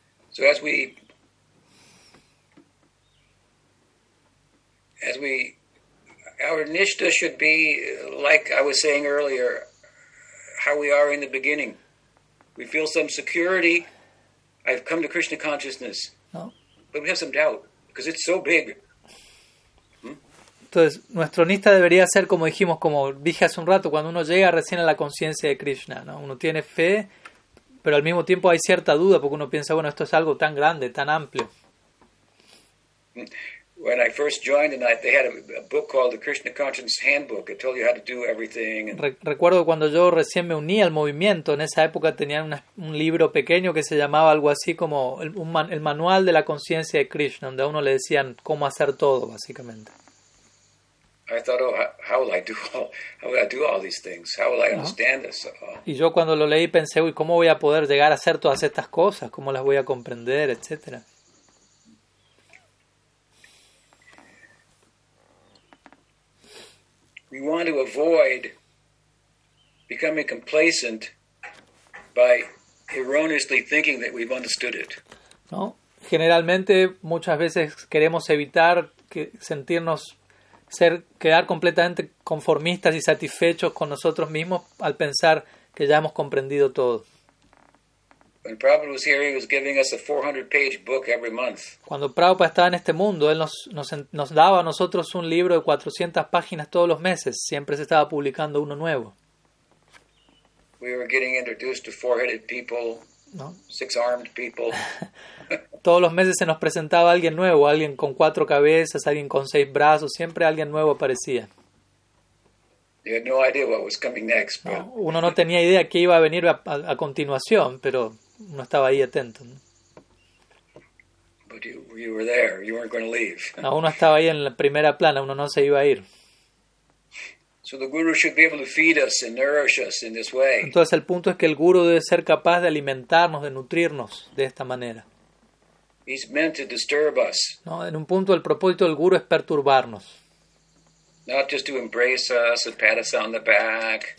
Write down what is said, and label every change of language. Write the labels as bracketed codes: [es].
[en] So as we, our nishta should be like I was saying earlier, how we are in the beginning. We feel some security. I've come to Krishna consciousness. [es] No. [en] But we have some doubt because it's so big. [es] Entonces, nuestro nishta debería ser como dijimos, como dije hace un rato, cuando uno llega recién a la conciencia de Krishna, ¿no? Uno tiene fe. Pero al mismo tiempo hay cierta duda porque uno piensa, bueno, esto es algo tan grande, tan amplio. [en] When I first joined tonight, they had a book called The Krishna Conscious Handbook. It told you how to do everything. [es] Recuerdo cuando yo recién me uní al movimiento, en esa época tenían un libro pequeño que se llamaba algo así como el manual de la conciencia de Krishna, donde a uno le decían cómo hacer todo, básicamente. [en] I thought, oh, how will I do all these things? How will I understand this? [es] Y yo cuando lo leí pensé, uy, ¿cómo voy a poder llegar a hacer todas estas cosas? ¿Cómo las voy a comprender, etcétera? [en] We want to avoid becoming complacent by erroneously thinking that we've understood it. [es] No, generalmente muchas veces queremos evitar que sentirnos quedar completamente conformistas y satisfechos con nosotros mismos al pensar que ya hemos comprendido todo. [en] When Prabhupada was here, he was giving us a 400-page book every month. [es] Cuando Prabhupada estaba en este mundo, él nos daba a nosotros un libro de 400 páginas todos los meses. Siempre se estaba publicando uno nuevo. [en] We were getting introduced to four-headed people. [es] ¿no? [en] Six-armed people. [es] Todos los meses se nos presentaba alguien nuevo, alguien con cuatro cabezas, alguien con seis brazos, siempre alguien nuevo aparecía. [en] You had no idea what was coming next, [es] no, uno no tenía idea qué iba a venir a continuación, pero uno estaba ahí atento, ¿no? [en] But you were there. You weren't going to leave. [es] No, uno estaba ahí en la primera plana, uno no se iba a ir. [en] So the guru should be able to feed us and nourish us in this way. [es] Entonces el punto es que el guru debe ser capaz de alimentarnos, de nutrirnos de esta manera. [en] He's meant to disturb us. [es] No, en un punto el propósito del guru es perturbarnos. [en] Not just to embrace us and pat us on the back.